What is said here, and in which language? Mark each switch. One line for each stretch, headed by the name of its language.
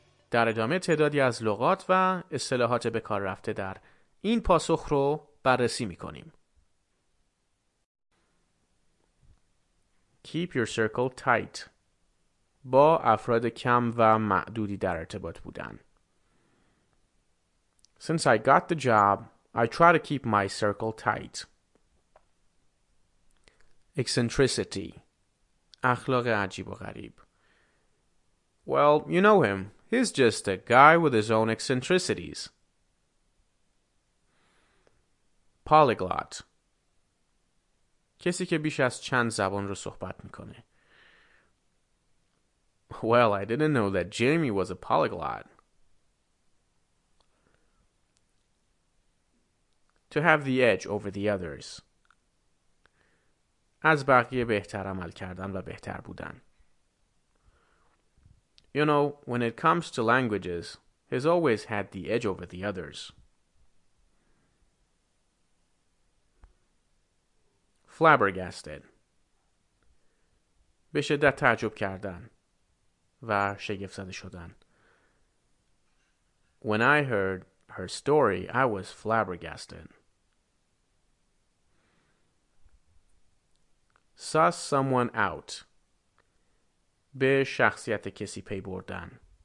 Persian: در ادامه تعدادی از لغات و اصطلاحات به کار رفته در این پاسخ رو بررسی می‌کنیم.
English: Keep your circle tight.
Persian: با افراد کم و معدودی در ارتباط بودن.
English: Since I got the job, I try to keep my circle tight.
Persian: Eccentricity. اخلاق عجیب و غریب.
English: Well, you know him. He's just a guy with his own eccentricities. Polyglot.
Persian: کسی که بیش از چند زبان رو صحبت میکنه.
English: Well, I didn't know that Jamie was a polyglot. To have the edge over the others.
Persian: از بقیه بهتر عمل کردن و بهتر بودن.
English: You know, when it comes to languages, he's always had the edge over the others. Flabbergasted.
Persian: به شدت تعجب کردن و شگفت زده شدن.
English: When I heard her story, I was flabbergasted. Suss someone out.
Persian: به شخصیت کسی پی بردن.